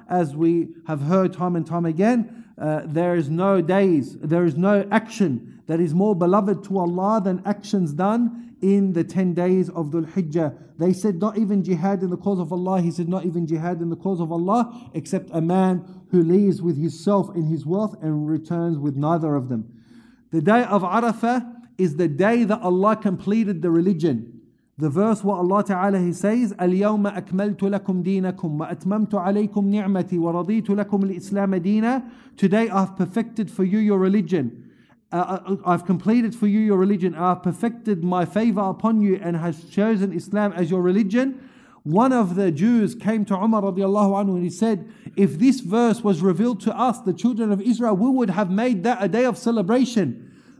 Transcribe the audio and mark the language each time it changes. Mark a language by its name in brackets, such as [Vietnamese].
[English] As we have heard time and time again, there is no action that is more beloved to Allah than actions done in the 10 days of Dhul Hijjah. They said, not even jihad in the cause of Allah. He said, not even jihad in the cause of Allah, except a man who leaves with his self and his wealth and returns with neither of them. The day of Arafah is the day that Allah completed the religion. The verse where Allah Ta'ala He says, [Arabic] اليوم أكملت لكم دينكم وأتممت عليكم نعمتي ورضيت لكم الإسلام دينا. [English] Today I have perfected for you your religion. I've completed for you your religion. I've perfected my favor upon you and has chosen Islam as your religion. One of the Jews came to Umar radiallahu anhu and he said, if this verse was revealed to us, the children of Israel, we would have made that a day of celebration.